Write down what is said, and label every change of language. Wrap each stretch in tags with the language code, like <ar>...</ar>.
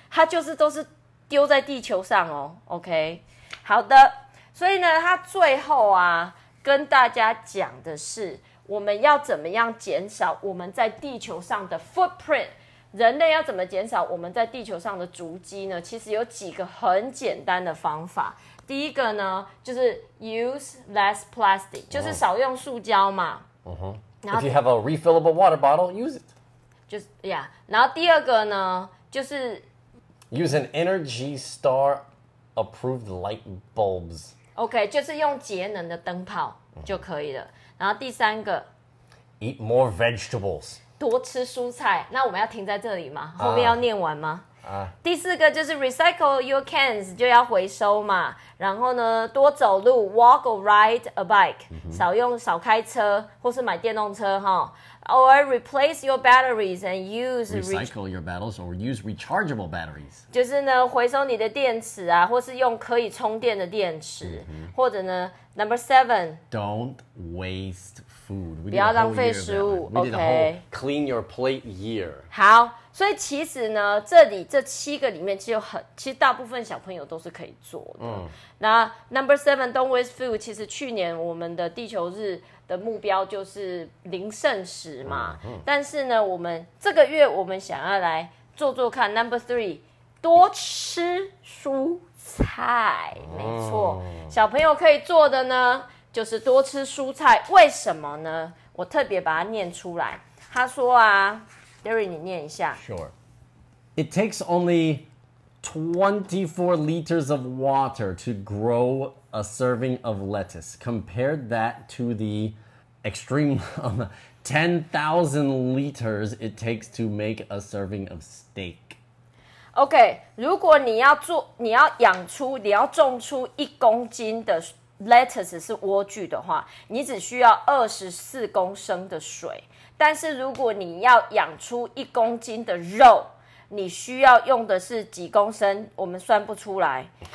<zh>它就是都是丢在地球上哦 ，OK， 好的，所以呢，它最后啊跟大家讲的是，我们要怎么样减少我们在地球上的 footprint， 人类要怎么减少我们在地球上的足迹呢？其实有几个很简单的方法。第一个呢，就是</zh> <en>use less plastic，</en> <zh>就是少用塑胶嘛。嗯哼。</zh> <en>If you have a refillable water bottle, use it.</en> <zh>就是 yeah， 然后第二个呢，就是。</zh> <en>Use an Energy Star approved light bulbs.</en> <zh>OK, 就是用节能的灯泡就可以了。 Mm-hmm. 然后第三个</zh> <en>，Eat more vegetables.</en> <zh>多吃蔬菜。那我们要停在这里吗？后面要念完吗？第四个就是</zh> <en>recycle your cans，</en> <zh>就要回收嘛。然后呢，多走路 ，</zh> <en>walk or ride a bike，、</en> <zh>mm-hmm. 少开车或是买电动车哈。</zh> <en>Or replace your batteries and use... Recycle your batteries or use rechargeable batteries.</en> <zh>就是呢回收你的电池啊或是用可以充电的电池、mm-hmm. 或者呢 number seven.</zh> <en>Don't waste food.</en> <zh>不要浪费食物 OK.</zh> <en>Clean your plate year.</en> <zh>好所以其实呢这里这七个里面其实大部分小朋友都是可以做的。</zh> <en>那 number seven, don't waste food.</en> <zh>其实去年我们的地球日的目标就是零剩食嘛、嗯嗯、但是呢我们这个月我们想要来做做看 number three 多吃蔬菜、嗯、没错小朋友可以做的呢就是多吃蔬菜为什么呢我特别把它念出来他说啊 Derry 你念一下</zh> <en>Sure It takes only 24 liters of water to growA serving of lettuce. Compared that to the extreme 10,000 liters it takes to make a serving of steak.</en> <zh>OK, 如果你要养出你要种出一公斤的 lettuce 是莴苣的话你只需要24公升的水。但是如果你要养出一公斤的肉你需要用的是几公升我们算不出来。</zh>